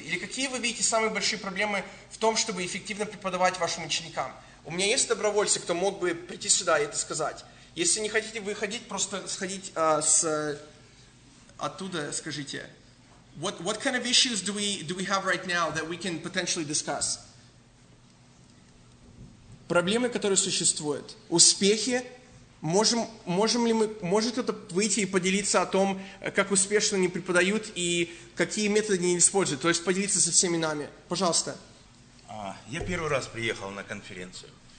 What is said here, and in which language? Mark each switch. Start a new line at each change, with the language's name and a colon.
Russian: Или какие вы видите самые большие проблемы в том, чтобы эффективно преподавать вашим ученикам? У меня есть добровольцы, кто мог бы прийти сюда и это сказать. Если не хотите выходить, просто сходить оттуда, скажите.
English: What kind of issues do we have right now that we can potentially discuss?
Russian: Проблемы, которые существуют, успехи, может кто-то выйти и поделиться о том, как успешно они преподают и какие методы они используют, то есть поделиться со всеми нами. Пожалуйста. Я первый раз приехал на конференцию.